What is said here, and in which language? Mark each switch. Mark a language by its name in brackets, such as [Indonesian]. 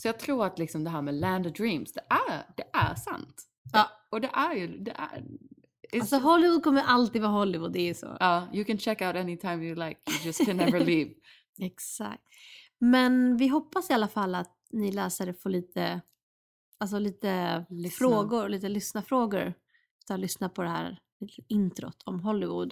[Swedish] Så jag tror att liksom det här med [English] land of dreams, [Swedish] det är sant. Ja. Och det är ju, det är... Alltså Hollywood kommer alltid vara Hollywood, det är så. Ja, [English] you can check out anytime you like, you just can never leave. [Swedish] Exakt. Men vi hoppas i alla fall att ni läsare får lite... Alltså lite lyssna. Frågor, lite lyssna frågor. Så att lyssna på det här introt om Hollywood.